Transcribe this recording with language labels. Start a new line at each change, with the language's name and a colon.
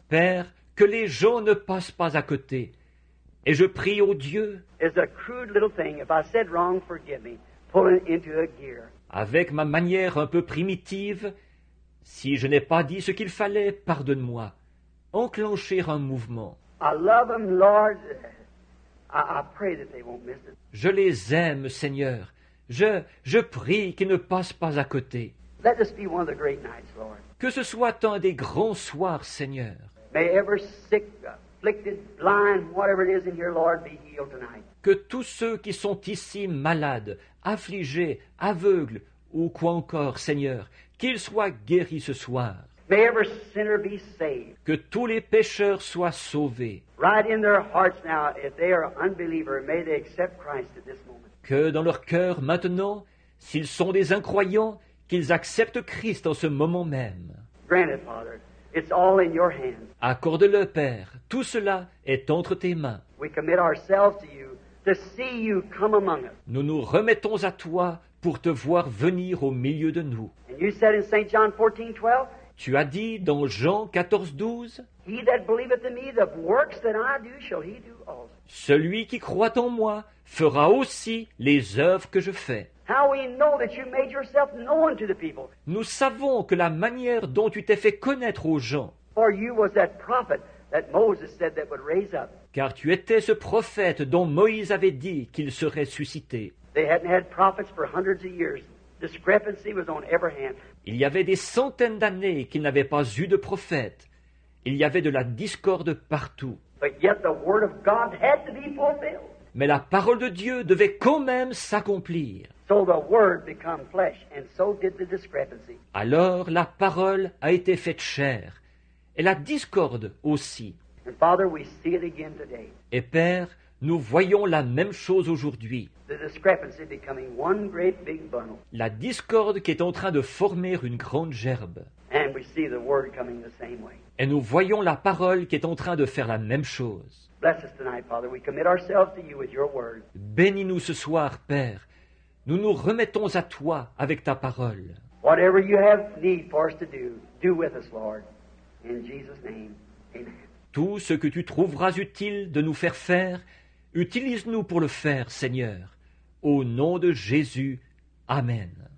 French: Père, que les gens ne passent pas à côté. Et je prie au Dieu.
English: It's a crude little thing. If I said wrong, forgive me. Pull it into a gear.
French: Avec ma manière un peu primitive, si je n'ai pas dit ce qu'il fallait, pardonne-moi. Enclencher un mouvement.
English: I love them, Lord. I pray that they won't miss it.
French: Je les aime, Seigneur. Je prie qu'ils ne passent pas à côté.
English: Let this be one of the great nights, Lord.
French: Que ce soit un des grands soirs, Seigneur.
English: May every sick, afflicted, blind, whatever it is in here, Lord, be healed tonight.
French: Que tous ceux qui sont ici malades, affligés, aveugles, ou quoi encore, Seigneur, qu'ils soient guéris ce soir.
English: May every sinner be saved.
French: Que tous les pécheurs soient sauvés.
English: Right in their hearts now, if they are an unbeliever, may they accept Christ at this moment.
French: Que dans leur cœur maintenant, s'ils sont des incroyants, qu'ils acceptent Christ en ce moment même.
English: Granted, Father, it's all in your hands.
French: Accorde-le, Père, tout cela est entre tes mains.
English: We commit ourselves to you to see you come among us.
French: Nous nous remettons à toi pour te voir venir au milieu de nous.
English: And you said in St. John 14:12.
French: Tu as dit dans Jean 14:12.
English: He that believeth in me, the works that I do, shall he do also.
French: Celui qui croit en moi fera aussi les œuvres que je fais.
English: How we know that you made yourself known to the people.
French: Nous savons que la manière dont tu t'es fait connaître aux gens.
English: For you was that prophet that Moses said that would raise up.
French: Car tu étais ce prophète dont Moïse avait dit qu'il serait suscité.
English: They hadn't had prophets for hundreds of years. Discrepancy was on every hand.
French: Il y avait des centaines d'années qu'il n'avait pas eu de prophète. Il y avait de la discorde partout.
English: But yet the word of God had to be fulfilled.
French: Mais la parole de Dieu devait quand même s'accomplir.
English: So the word became flesh, and so did the discrepancy.
French: Alors la parole a été faite chair, et la discorde aussi.
English: And Father, we see it again today.
French: Et Père, nous voyons la même chose aujourd'hui.
English: The discrepancy becoming one great big bundle.
French: La discorde qui est en train de former une grande gerbe.
English: And we see the word coming the same way.
French: Et nous voyons la parole qui est en train de faire la même chose.
English: Bless us tonight, Father. We commit ourselves to you with your word.
French: Bénis-nous ce soir, Père. Nous nous remettons à toi avec ta parole.
English: Whatever you have need for us to do, do with us, Lord. In Jesus' name, amen.
French: Tout ce que tu trouveras utile de nous faire faire, utilise-nous pour le faire, Seigneur. Au nom de Jésus, amen.